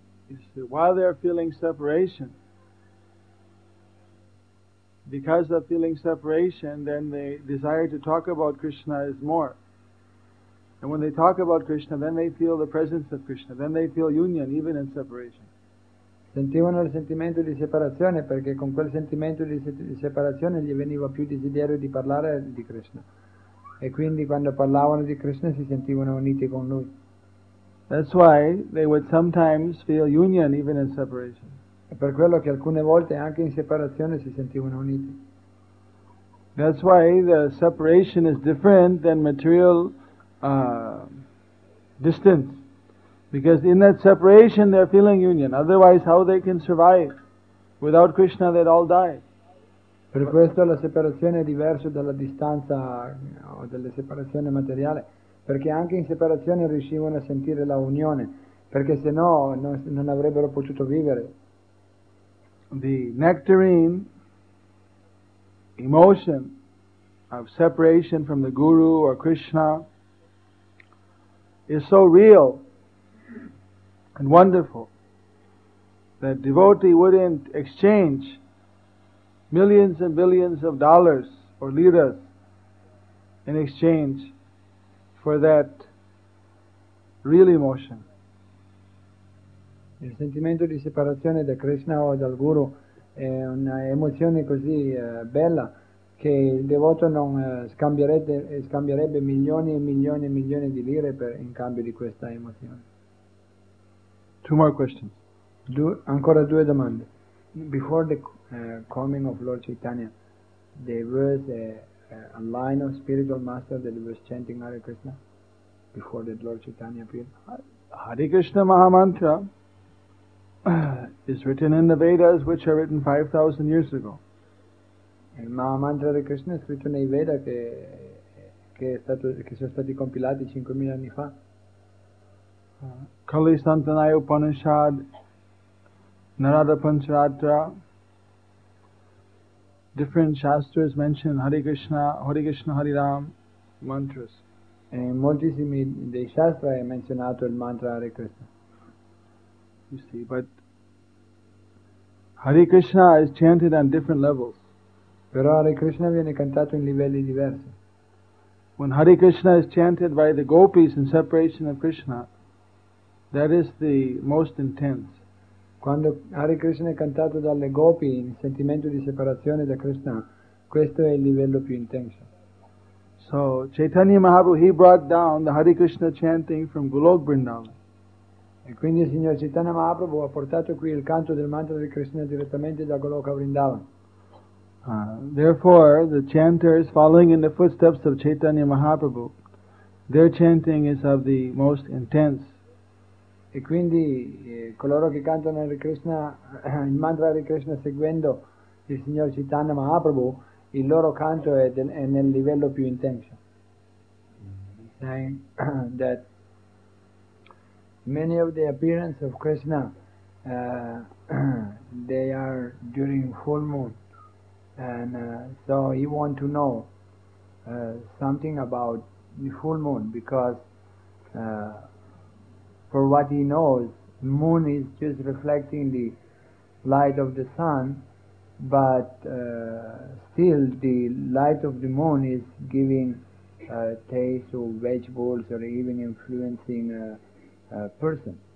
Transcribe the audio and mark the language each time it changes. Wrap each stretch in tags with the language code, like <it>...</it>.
<en>You see, while they are feeling separation, because of feeling separation, then they desire to talk about Krishna is more. And when they talk about Krishna, then they feel the presence of Krishna, then they feel union even in separation.</en> <it>Sentivano il sentimento di separazione perché con quel sentimento di separazione gli veniva più desiderio di parlare di Krishna. E quindi quando parlavano di Krishna si sentivano uniti con lui.</it> <en>That's why they would sometimes feel union even in separation.</en> <it>per quello che alcune volte anche in separazione si sentivano uniti.</it> <en>That's why the separation is different than material distance. Because in that separation they're feeling union. Otherwise how they can survive? Without Krishna they'd all die.</en> <it>Per questo la separazione è diversa dalla distanza o dalla separazione materiale, perché anche in separazione riuscivano a sentire la unione, perché se no non avrebbero potuto vivere.</it> <en>The nectarine emotion of separation from the Guru or Krishna is so real and wonderful that devotee wouldn't exchange millions and billions of dollars or liras in exchange for that real emotion.</en> <it>Il sentimento di separazione da Krishna o dal Guru è un'emozione così bella che il devoto non scambierebbe milioni e milioni e milioni di lire per in cambio di questa emozione.</it> <en>Two more questions.</en> <it>Ancora due domande.</it> <en>Before the coming of Lord Chaitanya, there was a line of spiritual master that was chanting Hare Krishna before that Lord Chaitanya appeared. Hare Krishna Mahamantra is written in the Vedas, which are written 5,000 years ago.</en> <it>Il Mahamantra di Krishna è scritto nei Veda che sono stati compilati 5,000 anni fa.</it> <en>Kali Santanaya Upanishad, Narada Pancharatra, different shastras mention Hare Krishna, Hare Krishna, Hare Ram mantras.</en> <it>E in moltissimi dei shastra è menzionato il mantra Hare Krishna.</it> <en>You see, but Hare Krishna is chanted on different levels.</en> <it>Però Hare Krishna viene cantato in livelli diversi.</it> <en>When Hare Krishna is chanted by the gopis in separation of Krishna, that is the most intense.</en> <it>Quando Hare Krishna è cantato dalle gopi in sentimento di separazione da Krishna, questo è il livello più intenso.</it> <en>So Chaitanya Mahaprabhu, he brought down the Hare Krishna chanting from Golok Vrindavan.</en> <it>E quindi il signor Chaitanya Mahaprabhu ha portato qui il canto del mantra di Krishna direttamente da Goloka Vrindavan.</it> <en>Therefore, the chanters following in the footsteps of Chaitanya Mahaprabhu, their chanting is of the most intense.</en> <it>E quindi coloro che cantano Hare Krishna, il mantra di Krishna seguendo il signor Chaitanya Mahaprabhu, il loro canto è nel livello più intenso.</it> <en>Saying that many of the appearances of Krishna, they are during full moon. And so he want to know something about the full moon, because for what he knows, moon is just reflecting the light of the sun, but still the light of the moon is giving taste or vegetables or even influencing a person.</en>